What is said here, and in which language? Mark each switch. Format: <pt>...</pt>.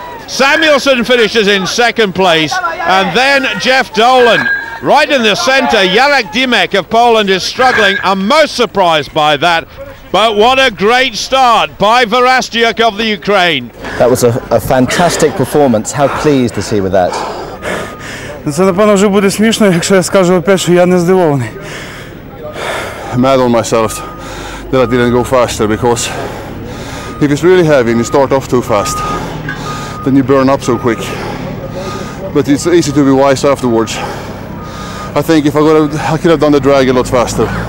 <en>Samuelsson finishes in second place. And then Jeff Dolan. Right in the center, Jarek Dimek of Poland is struggling. I'm most surprised by that. But what a great start by Verastyuk of the Ukraine. That was a fantastic performance. How pleased is he with that?</en> <uk>Це, напевно, вже буде смішно, якщо я скажу опять, що я не здивований.</uk> <en>Mad on myself that I didn't go faster, because if it's really heavy and you start off too fast, then you burn up so quick. But it's easy to be wise afterwards. I think if I would have, I could have done the drag a lot faster.</en>